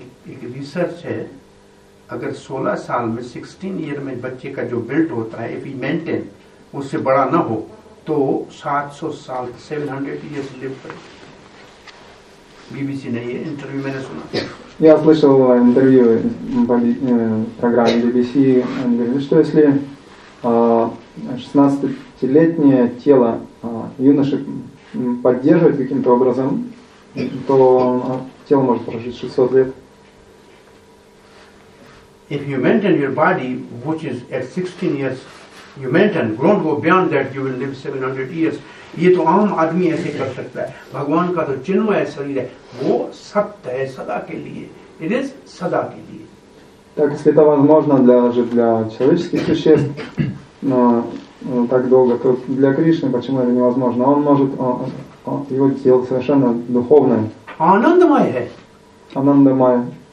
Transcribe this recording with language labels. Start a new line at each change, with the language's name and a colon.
Hindi: एक रिसर्च है, अगर 16 साल में 16 ईयर में बच्चे का जो बिल्ट होता है,
English: if he maintain,
Hindi: उससे बड़ा ना हो तो 700 साल 700
English: years live
Hindi: कर। BBC ने ये इंटरव्यू मैंने सुना।
Russian: Я слышал интервью по программе BBC, они говорили, что если 16-летнее тело юноши поддерживать каким-то образом, то тело может прожить 600 лет.
English: If you maintain your body, which is at 16 years, you maintain, don't go beyond that, you will live 700 years.
Hindi: ये तो आम आदमी ऐसे कर सकता है. भगवान का तो चिन्ह है शरीर है, वो सत्य है सदा के लिए.
English: It is
Hindi: सदा के लिए.
Russian: Так, если это возможно для человеческих существ, но так долго, то для Кришны почему это невозможно? Он может, его тело совершенно духовное.
Hindi: Анандамая है.
Russian: Анандамая.